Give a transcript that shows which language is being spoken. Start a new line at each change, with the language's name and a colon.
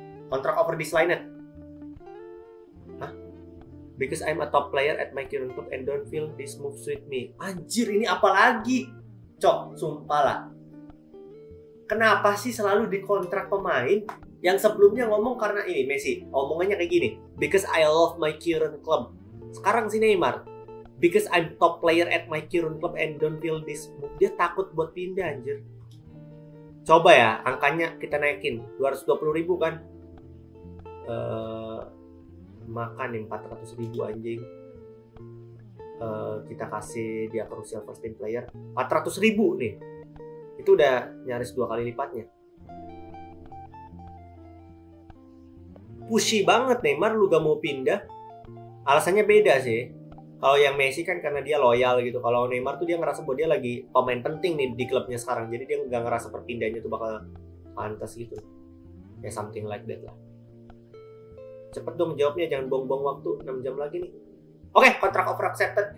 English: Contract over this line. Hah? Because I'm a top player at my current club and don't feel this move suit me.
Indonesian: Anjir ini apa lagi? Cok, sumpah lah. Kenapa sih selalu dikontrak pemain yang sebelumnya ngomong karena ini Messi. Omongannya kayak gini.
English: Because I love my current club.
Indonesian: Sekarang si Neymar.
English: Because I'm top player at my current club and don't feel this move.
Indonesian: Dia takut buat pindah anjir. Coba ya, angkanya kita naikin 220.000 kan. Makan 400.000 anjing. Kita kasih dia crucial first team player 400.000 nih. Itu udah nyaris 2 kali lipatnya. Pushy banget Neymar lu gak mau pindah. Alasannya beda sih. Kalau yang Messi kan karena dia loyal gitu. Kalau Neymar tuh dia ngerasa bahwa dia lagi pemain penting nih di klubnya sekarang. Jadi dia nggak ngerasa perpindahannya tuh bakal pantas gitu. Ya
English: something like that
Indonesian: lah. Cepet dong jawabnya, jangan bong-bong waktu 6 jam lagi nih.
English: Oke, okay, contract over accepted.